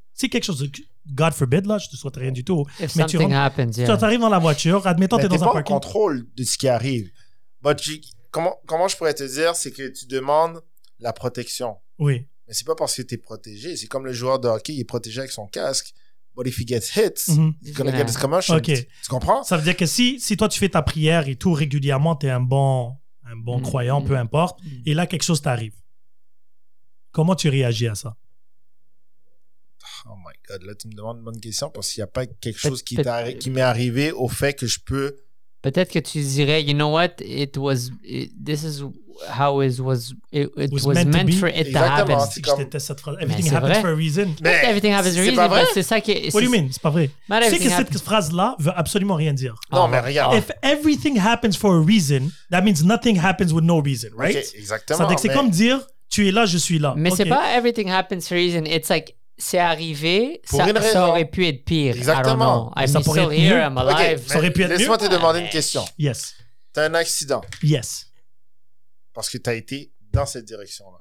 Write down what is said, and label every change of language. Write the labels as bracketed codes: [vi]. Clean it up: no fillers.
[fr] Si quelque chose, [en] God forbid, [fr] là, je ne te souhaite rien du tout. [en] Si something happens, [fr] tu arrives dans la voiture, admettons que tu es dans un parking. Tu n'as pas contrôle de ce qui arrive. [en] But you... [fr] Comment je pourrais te dire, c'est que tu demandes la protection. Oui. Mais c'est pas parce que t'es protégé. C'est comme le joueur de hockey, il est protégé avec son casque. [en] But if he gets hit, he's gonna get his commotion. Okay. [fr] Tu comprends? Ça veut dire que si toi tu fais ta prière et tout régulièrement, t'es un bon croyant, peu importe, et là quelque chose t'arrive. Comment tu réagis à ça? [en] Oh my God, [fr] là tu me demandes une bonne question parce qu'il n'y a pas quelque chose qui m'est arrivé au fait que je peux. Peut-être que tu dirais, [en] you know what, this is how it was meant to happen. [fr] Exactement. Je déteste cette phrase. [en] Everything happens for a reason. Mais everything happens for a reason. [fr] C'est pas vrai. C'est ça qui. [en] What do you mean? [fr] C'est pas vrai. Tu sais que cette phrase-là veut absolument rien dire. Non, mais regarde. [en] If everything happens for a reason, that means nothing happens with no reason, right? [fr] Okay, exactement. Ça veut dire que c'est comme dire, tu es là, je suis là. Mais c'est pas [en] everything happens for a reason. It's like, [fr] c'est arrivé, ça aurait pu être pire. Exactement. [en] I'm still here, I'm alive. [fr] Okay, ça aurait pu être laisse-moi mieux. Te demander une question. [en] Yes. [fr] T'as un accident. [en] Yes. [fr] Parce que t'as été dans cette direction-là.